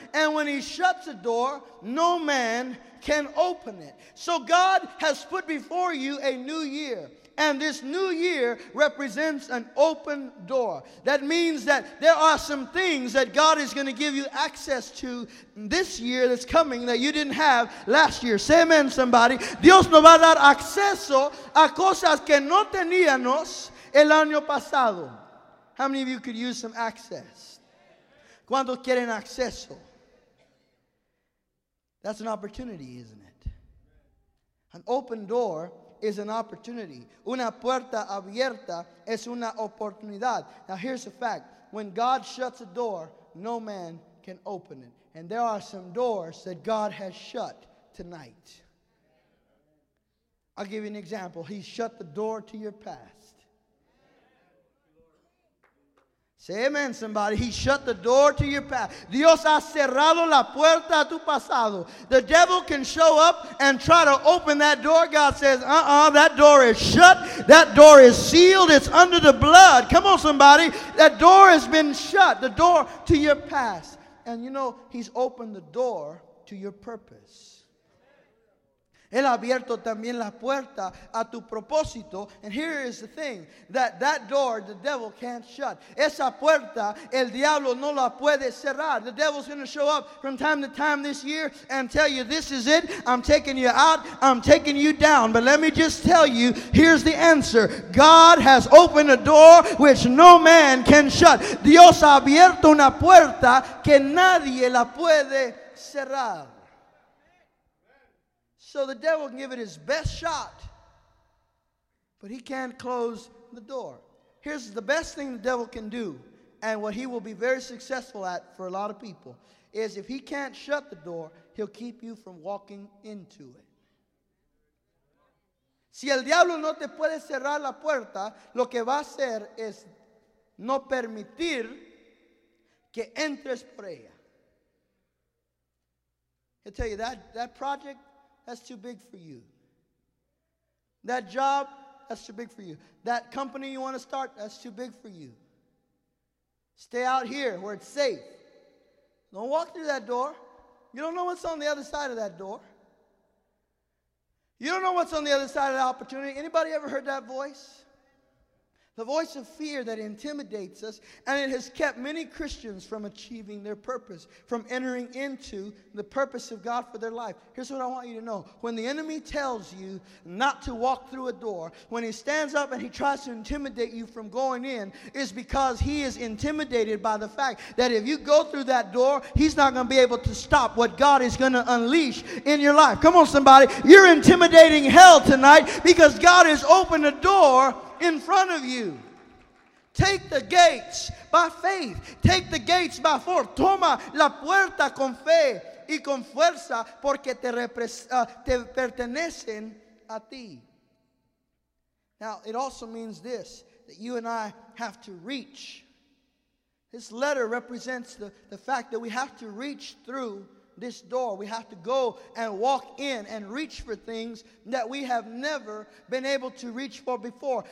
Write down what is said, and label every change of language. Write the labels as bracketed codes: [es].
[en] And when he shuts a door, no man can open it. So God has put before you a new year. And this new year represents an open door. That means that there are some things that God is going to give you access to this year that's coming that you didn't have last year. Say amen, somebody. [es] Dios nos va a dar acceso a cosas que no teníamos el año pasado. [en] How many of you could use some access? [es] ¿Cuántos quieren acceso? [en] That's an opportunity, isn't it? An open door is an opportunity. [es] Una puerta abierta es una oportunidad. [en] Now here's the fact. When God shuts a door, no man can open it. And there are some doors that God has shut tonight. I'll give you an example. He shut the door to your past. Say amen, somebody. He shut the door to your past. [es] Dios ha cerrado la puerta a tu pasado. [en] The devil can show up and try to open that door. God says, that door is shut. That door is sealed. It's under the blood. Come on, somebody. That door has been shut. The door to your past. And you know, he's opened the door to your purpose. [es] Él ha abierto también la puerta a tu propósito. [en] And here is the thing, that door the devil can't shut. [es] Esa puerta el diablo no la puede cerrar. [en] The devil's going to show up from time to time this year and tell you, this is it, I'm taking you out, I'm taking you down. But let me just tell you, here's the answer. God has opened a door which no man can shut. [es] Dios ha abierto una puerta que nadie la puede cerrar. [en] So the devil can give it his best shot, but he can't close the door. Here's the best thing the devil can do, and what he will be very successful at for a lot of people, is if he can't shut the door, he'll keep you from walking into it. [es] Si el diablo no te puede cerrar la puerta, lo que va a hacer es no permitir que entres por ella. [en] He'll tell you, that project, that's too big for you. That job, that's too big for you. That company you want to start, that's too big for you. Stay out here where it's safe. Don't walk through that door. You don't know what's on the other side of that door. You don't know what's on the other side of that opportunity. Anybody ever heard that voice? The voice of fear that intimidates us, and it has kept many Christians from achieving their purpose, from entering into the purpose of God for their life. Here's what I want you to know. When the enemy tells you not to walk through a door, when he stands up and he tries to intimidate you from going in, is because he is intimidated by the fact that if you go through that door, he's not going to be able to stop what God is going to unleash in your life. Come on, somebody. You're intimidating hell tonight because God has opened a door in front of you. Take the gates by faith. Take the gates by force. [es] Toma la puerta con fe y con fuerza porque te pertenecen a ti. [en] Now, it also means this, that you and I have to reach. This letter represents the fact that we have to reach through this door. We have to go and walk in and reach for things that we have never been able to reach for before.